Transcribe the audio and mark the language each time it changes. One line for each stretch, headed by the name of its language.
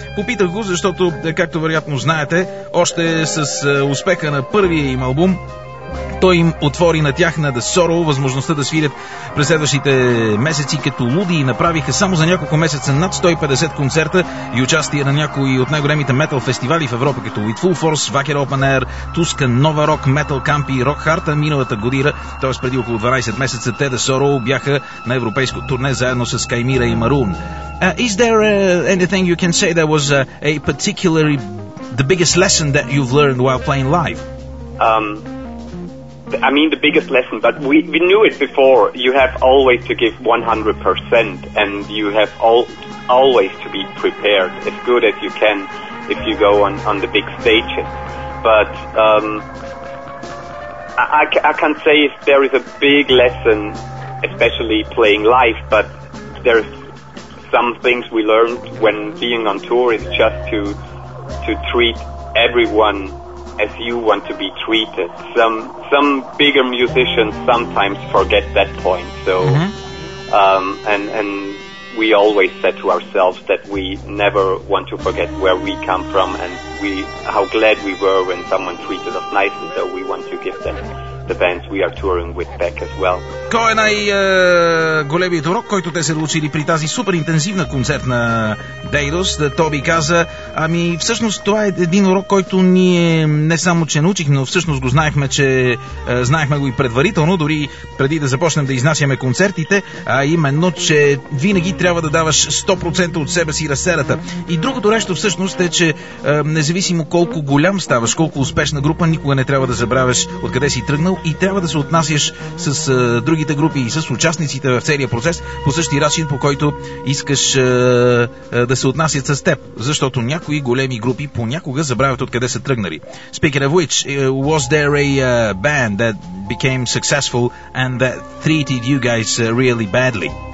Bulgarian: Попитах го, защото, както вероятно знаете, още с успеха на първия им албум, той им отвори на тях, на The Sorrow, възможността да свирят през следващите месеци като луди и направиха само за няколко месеца над 150 концерта и участие на някои от най-големите метал фестивали в Европа, като With Full Force, Wacker Open Air, Tuska, Nova Rock, Metal Camp и Rock Hard. Миналата година, т.е. преди около 12 месеца, те The Sorrow бяха на европейско турне заедно с Chimera и Maroon.
English: Is there anything you can say that was a particularly the biggest lesson that you've learned while playing live? I mean, the biggest lesson, but we knew it before. You have always to give 100% and you have always to be prepared as good as you can if you go on the big stages. But I can't say if there is a big lesson, especially playing live, but there's some things we learned when being on tour is just to treat everyone as you want to be treated. Some bigger musicians sometimes forget that point. So, and we always said to ourselves that we never want to forget where we come from and how glad we were when someone treated us nicely. So we want to give them the bands we are touring with back as well.
Bulgarian: Кой е най-големият урок, който те се научили при тази супер интензивна концертна дейност? Тоби каза, ами всъщност това е един урок, който ние не само че научихме, но всъщност го знаехме, че знаехме го и предварително, дори преди да започнем да изнасяме концертите, а именно, че винаги трябва да даваш 100% от себе си на сцената. И другото нещо всъщност е, че независимо колко голям ставаш, колко успешна група, никога не трябва да забравяш откъде си тръгнал и трябва да се отнасяш с другите групи и с участниците в целия процес по същия начин, по който искаш да се отнасят с теб, защото някои големи групи понякога забравят откъде са тръгнали.
English: Speaking of which, was there a band that became successful and that treated you guys really badly?